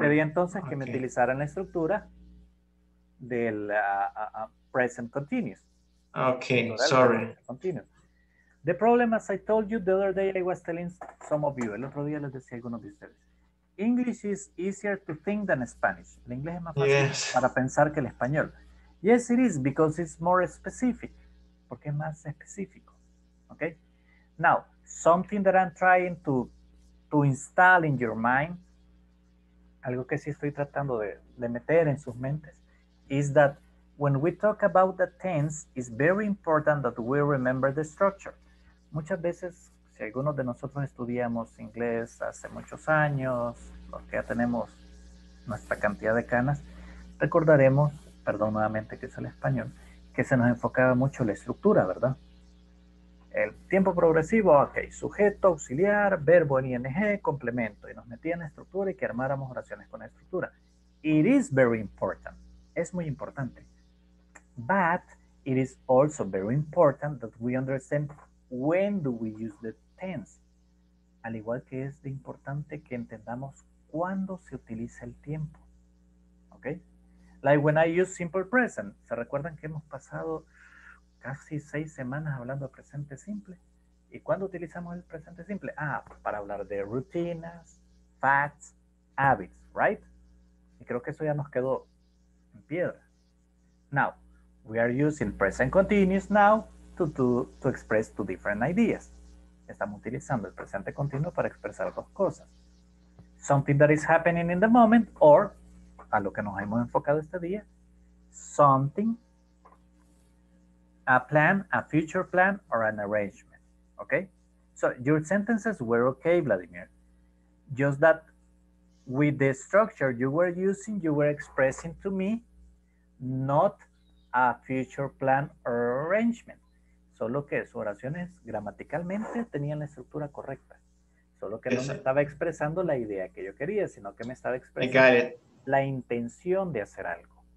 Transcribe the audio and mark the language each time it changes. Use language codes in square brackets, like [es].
[es] Le pedí entonces que me utilizaran la estructura del present continuous. [en] Okay, sorry. Continuous. The problem, as I told you the other day, I was telling some of you, el otro día les decía a algunos de ustedes, English is easier to think than Spanish. [es] El inglés es más fácil para pensar que el español. [en] Yes, it is, because it's more specific. Porque es más específico. Okay? Now, something that I'm trying to install in your mind, algo que sí estoy tratando de meter en sus mentes, is that when we talk about the tense, it's very important that we remember the structure. [es] Muchas veces, si algunos de nosotros estudiamos inglés hace muchos años, los que ya tenemos nuestra cantidad de canas, recordaremos, perdón nuevamente que es el español, que se nos enfocaba mucho la estructura, ¿verdad? El tiempo progresivo, ok, sujeto, auxiliar, verbo en ING, complemento, y nos metía en la estructura y que armáramos oraciones con la estructura. [en] It is very important. Es muy importante. But it is also very important that we understand when do we use the tense. [es] Al igual que es de importante que entendamos cuándo se utiliza el tiempo. Okay? Like when I use simple present. ¿Se recuerdan que hemos pasado casi 6 semanas hablando de presente simple? ¿Y cuándo utilizamos el presente simple? Ah, para hablar de rutinas, facts, habits, right? Y creo que eso ya nos quedó en piedra. [en] Now, we are using present continuous now to express two different ideas. [es] Estamos utilizando el presente continuo para expresar dos cosas. Something that is happening in the moment, or, a lo que nos hemos enfocado este día, something, a plan, a future plan, or an arrangement. Okay? [en] So your sentences were okay, Vladimir. Just that with the structure you were using, you were expressing to me not a future plan or arrangement. [es] Solo que sus oraciones gramaticalmente tenían la estructura correcta. Solo que no me estaba expresando la idea que yo quería, sino que me estaba expresando la intención de hacer algo.